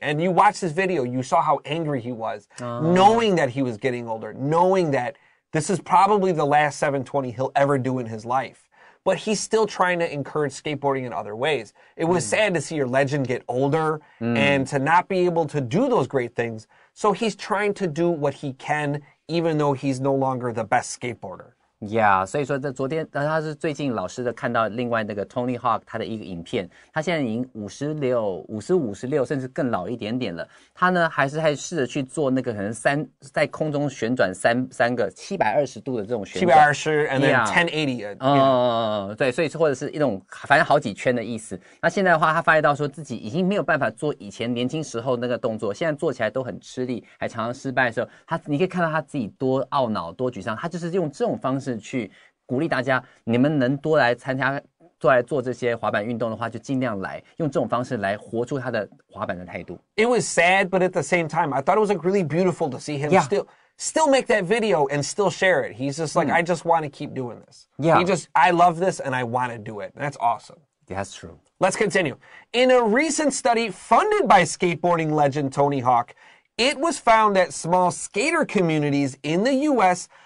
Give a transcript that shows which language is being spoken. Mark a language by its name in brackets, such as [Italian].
[English] And you watched this video. You saw how angry he was, knowing that he was getting older, knowing that this is probably the last 720 he'll ever do in his life. but he's still trying to encourage skateboarding in other ways. It was sad to see your legend get older and to not be able to do those great things. So he's trying to do what he can, even though he's no longer the best skateboarder. [Chinese] Yeah, 所以说这昨天他是最近老师的看到另外那个 Tony Hawk 他的一个影片，他现在已经55、56甚至更老一点点了，他呢还是在试着去做那个可能三在空中旋转三个720度的这种旋转 [English] 720 and then 1080 [Chinese] 对，所以或者是一种反正好几圈的意思。那现在的话他发现到说自己已经没有办法做以前年轻时候那个动作，现在做起来都很吃力，还常常失败的时候，他你可以看到他自己多懊恼多沮丧，他就是用这种方式是去鼓励大家，你们能多来参加、多来做这些滑板运动的话，就尽量来用这种方式来活出他的滑板的态度。 [English] It was sad, but at the same time, I thought it was like really beautiful to see him still make that video and still share it. He's just like, I just want to keep doing this. Yeah, I love this and I want to do it. That's awesome. That's true. Let's continue. In a recent study funded by skateboarding legend Tony Hawk, it was found that small skater communities in the U.S.